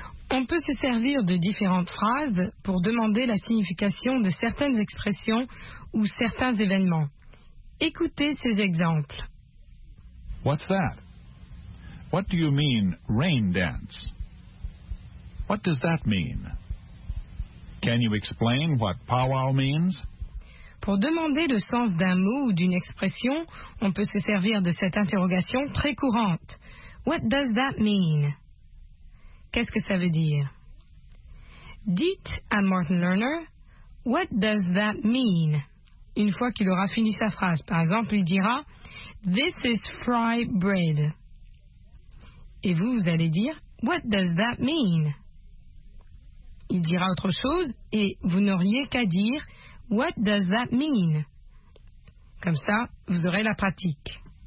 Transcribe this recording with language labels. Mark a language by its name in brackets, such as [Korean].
[French] On peut se servir de différentes phrases pour demander la signification de certaines expressions ou certains événements. Écoutez ces exemples. [English] What's that? What do you mean, rain dance? What does that mean? Can you explain what powwow means? [French] Pour demander le sens d'un mot ou d'une expression, on peut se servir de cette interrogation très courante. [English] What does that mean? [French] Qu'est-ce que ça veut dire? Dites à Martin Lerner, [English] What does that mean? [French] Une fois qu'il aura fini sa phrase, par exemple, il dira, [English] This is fry bread. [French] Et vous allez dire, [English] What does that mean? [French] Il dira autre chose et vous n'auriez qu'à dire, [English] What does that mean? [French] Comme ça, vous aurez la pratique.